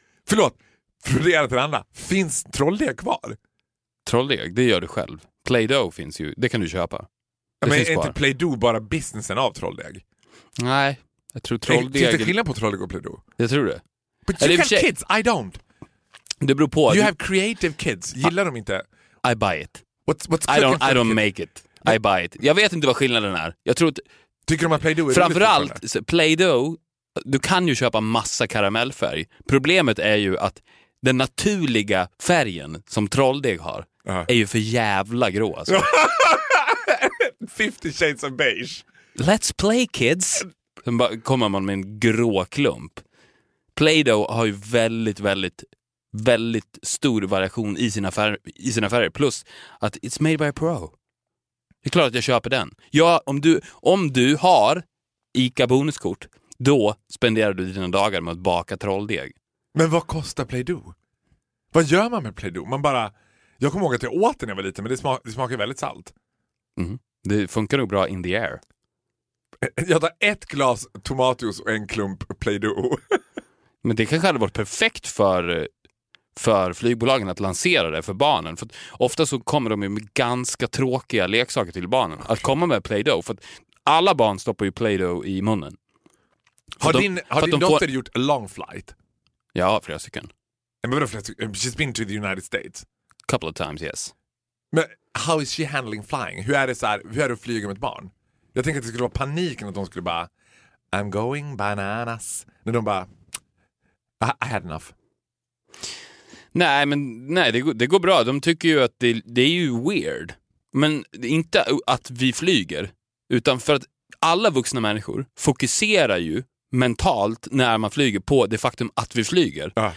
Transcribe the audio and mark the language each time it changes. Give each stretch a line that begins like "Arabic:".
Swedish: Förlåt, för det ena till det andra. Finns trolldeg kvar? Trolldeg, det gör du själv. Play-Doh finns ju, det kan du köpa. Ja, men är inte Play-Doh bara businessen av trolldeg? Nej, jag tror trolldeg. Finns det skillnad på trolldeg och Play-Doh? Jag tror det.
English: But you have kids, I don't.
Swedish: Det beror på.
English: You have creative kids,
Swedish: gillar de inte?
English: I buy it. What's I don't make it. I buy it.
Swedish: Jag vet inte vad skillnaden är. Jag tror att tycker de att Play-Doh är framförallt Play-Doh, du kan ju köpa massa karamellfärg. Problemet är ju att den naturliga färgen som trolldeg har är ju för jävla grå. Alltså.
English: 50 shades of beige. Let's play, kids.
Swedish: Sen kommer man med en grå klump. Play-Doh har ju väldigt, väldigt, väldigt stor variation i sina färger. Plus att
English: it's made by a pro.
Swedish: Det är klart att jag köper den. Ja, om du har ICA bonuskort, då spenderar du dina dagar med att baka trolldeg. Men vad kostar Play-Doh? Vad gör man med Play-Doh? Man bara, jag kommer ihåg att jag åt den när jag var liten, men det smakar väldigt salt. Mm. Det funkar nog bra
English: in the air.
Swedish: Jag tar ett glas tomatjuice och en klump Play-Doh. Men det kanske hade varit perfekt för flygbolagen att lansera det för barnen. För ofta så kommer de ju med ganska tråkiga leksaker till barnen. Att komma med Play-Doh. För att alla barn stoppar ju Play-Doh i munnen. Har din dotter gjort
English: a long flight?
Swedish: Ja, flera stycken.
English: She's been to the United States? Couple of times, yes. Men how is she handling flying?
Swedish: Hur är det så här, hur är det att flyga med ett barn? Jag tänker att det skulle vara paniken att de skulle bara
English: I'm going bananas.
Swedish: När de bara
English: I had enough.
Swedish: Nej, men nej, det går bra. De tycker ju att det är ju weird. Men inte att vi flyger, utan för att alla vuxna människor fokuserar ju mentalt när man flyger på det faktum att vi flyger.